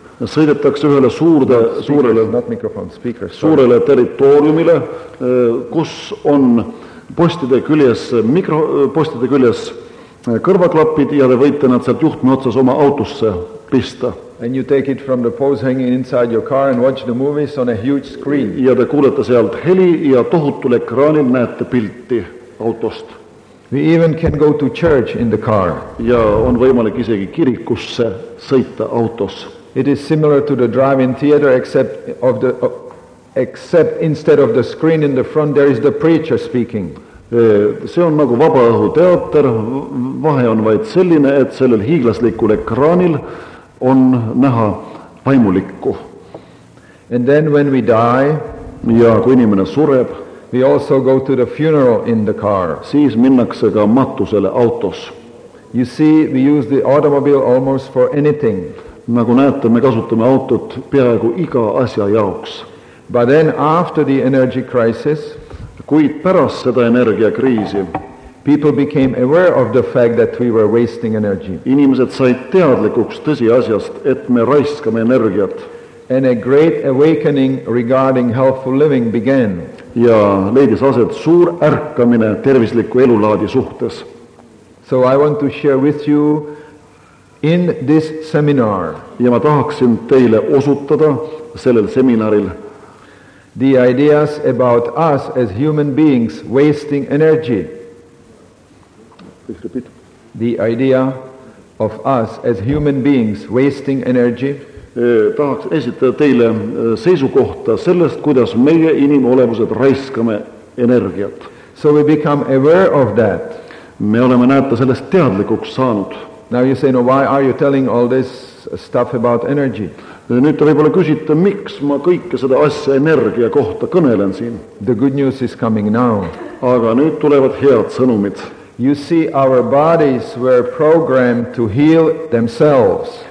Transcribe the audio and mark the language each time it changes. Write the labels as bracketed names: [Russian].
[Estonian] Sõidetakse ühele suurele territooriumile, kus on postide küljes kõrvaklapid ja te võite nad sealt juhtme otsas oma autosse pista. [English] And you take it from the post hanging inside your car and watch the movies on a huge screen. [Estonian] Ja te kuulete sealt heli ja tohutul ekraanil näete pilti autost. [English] We even can go to church in the car. [Estonian] Ja on võimalik isegi kirikusse sõita autos. [English] It is similar to the drive-in theater except instead of the screen in the front there is the preacher speaking. [Estonian] See on nagu vabaõhu teater, vahe on vaid selline, et sellel hiiglaslikul ekraanil on näha vaimulikku. [English] And then when we die, [Estonian] ja kui inimene sureb, [English] we also go to the funeral in the car. [Estonian] Siis minnakse ka matusele autos. [English] You see, we use the automobile almost for anything. [Estonian] Nagu näete, me kasutame autot peaaegu iga asja jaoks. [English] But then after the energy crisis, [Estonian] kuid pärast seda energiakriisi, [English] people became aware of the fact that we were wasting energy. [Estonian] Inimesed said teadlikuks tõsi asjast, et me raiskame energiat. [English] And a great awakening regarding healthful living began. [Estonian] Ja leidis aset suur ärkamine tervisliku elulaadi suhtes. [English] So I want to share with you in this seminar. [Estonian] Ja ma tahaksin teile osutada sellel seminaril [English] the ideas about us as human beings wasting energy. Please repeat. The idea of us as human beings wasting energy. [Estonian] Tahaks esitada teile seisukohta sellest, kuidas meie inimolevused raiskame energiat. [English] So we become aware of that. [Estonian] Me oleme näete sellest teadlikuks saanud. [English] Now you say, no, why are you telling all this stuff about energy? [Estonian] Nüüd te võibolla küsite, miks ma kõike seda asja energia kohta kõnelen siin. [English] The good news is coming now. [Estonian] Aga nüüd tulevad head sõnumid. [English] You see, our bodies were programmed to heal themselves.